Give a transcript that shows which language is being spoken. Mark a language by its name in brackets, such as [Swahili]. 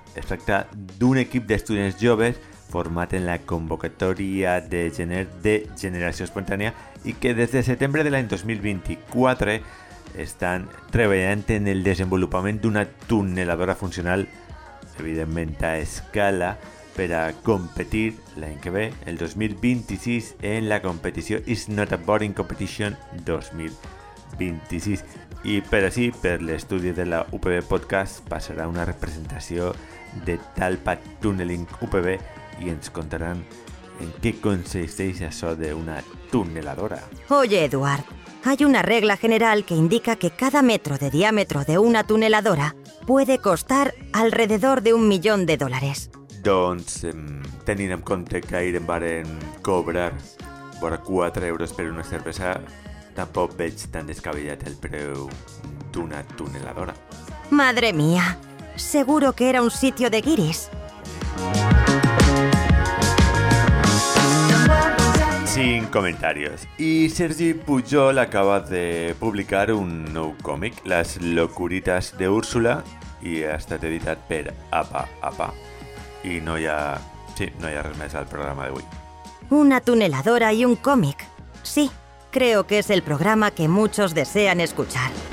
[Catalan] Es tracta d'un equip d'estudiants joves format en la convocatòria de gener de Generació Espontània i que des de setembre de l'any 2024 estan treballant en el desenvolupament d'una tuneladora funcional, evidentment a escala, per a competir l'any que ve, el 2026, en la competició It's Not a Boring Competition 2026. I per així, per l'estudi de la UPB Podcast, passarà una representació de Talpa Tunneling UPB i ens contaran en què consisteix això d'una tuneladora. [Spanish] Oye, Eduard, hay una regla general que indica que cada metro de diámetro de una tuneladora puede costar alrededor de $1,000,000. [Catalan] Doncs, tenint en compte que ahir em varen cobrar vora 4 euros per una cervesa, tampoc veig tan descabellat el preu d'una tuneladora. [Spanish] Madre mía, seguro que era un sitio de guiris. Sin comentarios. [Catalan] Y Sergi Pujol acaba de publicar un nou còmic, Las locuritas de Úrsula, i ha estat editat per APA APA. I no hi ha... sí, no hi ha res més al programa d'avui. Una tuneladora i un còmic. [Spanish] Sí, creo que es el programa que muchos desean escuchar.